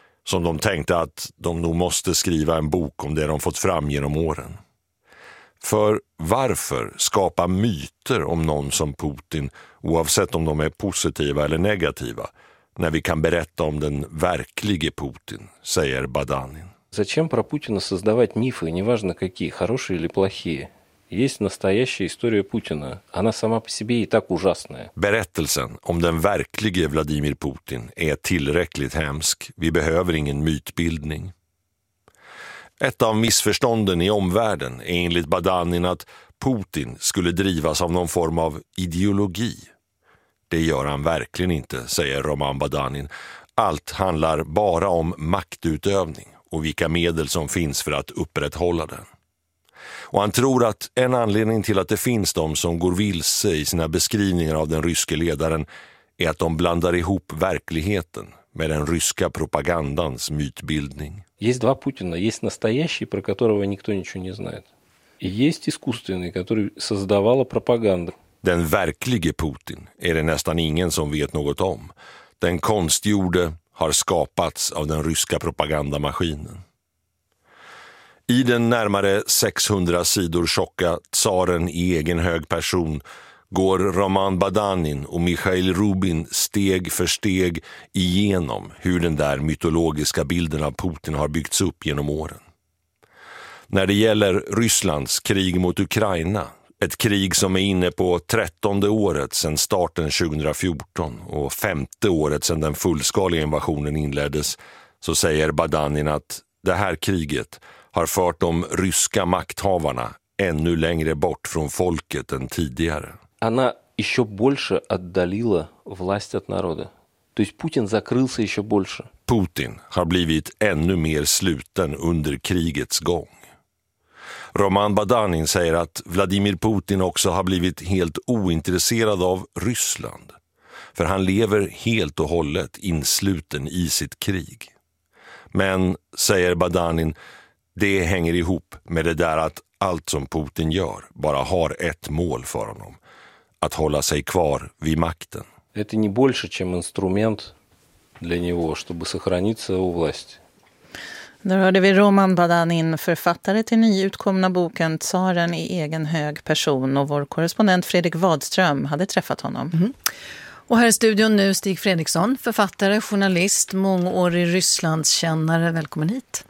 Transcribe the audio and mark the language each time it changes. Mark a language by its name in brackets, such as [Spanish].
[Swedish] Som de tänkte att de nog måste skriva en bok om det de fått fram genom åren. För varför skapa myter om någon som Putin, oavsett om de är positiva eller negativa, när vi kan berätta om den verklige Putin, säger Badanin. [Russian] Зачем про Путина создавать мифы, неважно какие, хорошие или плохие? Есть настоящая история Путина. Она сама по себе и так ужасная. [Swedish] Berättelsen om den verklige Vladimir Putin är tillräckligt hemsk. Vi behöver ingen mytbildning. Ett av missförstånden i omvärlden är enligt Badanin att Putin skulle drivas av någon form av ideologi. Det gör han verkligen inte, säger Roman Badanin. Allt handlar bara om maktutövning och vilka medel som finns för att upprätthålla den. Och han tror att en anledning till att det finns de som går vilse i sina beskrivningar av den ryske ledaren är att de blandar ihop verkligheten med den ryska propagandans mytbildning. [Russian] Есть два Путина, есть настоящий, про которого никто ничего не знает. И есть искусственный, который создавала пропаганда. [Swedish] Den verklige Putin är det nästan ingen som vet något om. Den konstgjorde har skapats av den ryska propagandamaskinen. I den närmare 600 sidor tjocka Tsaren i egen hög person går Roman Badanin och Mikhail Rubin steg för steg igenom hur den där mytologiska bilden av Putin har byggts upp genom åren. När det gäller Rysslands krig mot Ukraina, ett krig som är inne på 13:e året sedan starten 2014 och 5:e året sedan den fullskaliga invasionen inleddes, så säger Badanin att det här kriget har fört de ryska makthavarna ännu längre bort från folket än tidigare. [Russian] Она ещё больше отдалила власть от народа. То есть Путин закрылся ещё больше. [Swedish] Putin har blivit ännu mer sluten under krigets gång. Roman Badanin säger att Vladimir Putin också har blivit helt ointresserad av Ryssland. För han lever helt och hållet insluten i sitt krig. Men, säger Badanin, det hänger ihop med det där att allt som Putin gör bara har ett mål för honom. Att hålla sig kvar vid makten. Det är inte [Russian] больше, чем инструмент для него, чтобы сохраниться у власти. [Swedish] Då hörde vi Roman Badanin, författare till nyutkomna boken Tsaren i egen hög person, och vår korrespondent Fredrik Wadström hade träffat honom. Mm. Och här i studion nu Stig Fredriksson, författare, journalist, mångårig Rysslandskännare. Välkommen hit.